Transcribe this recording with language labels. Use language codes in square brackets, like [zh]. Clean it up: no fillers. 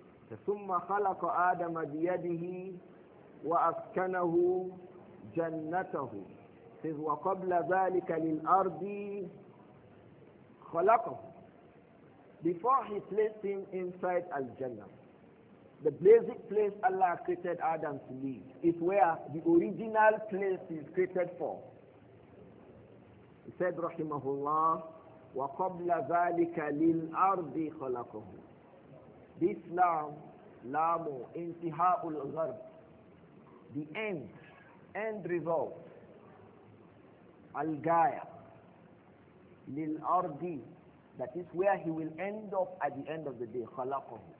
[ar] فَثُمَّ خَلَقَ آدَمَ بِيَدِهِ وَأَسْكَنَهُ جَنَّتَهُ إِذْ وَقَبْلَ ذَلِكَ لِلْأَرْضِ خَلَقَهُ. [en] Before he placed him inside Al-Jannah, the basic place Allah created Adam to live is where the original place is created for. [ar] He said, Rahimahullah, وَقَبْلَ ذَلِكَ لِلْأَرْضِ خَلَقَهُ. [en] This lam, lamu, intiha'ul gharb, the end result, al-gaya, lil-ardi, that is where he will end up at the end of the day, khalaqahu.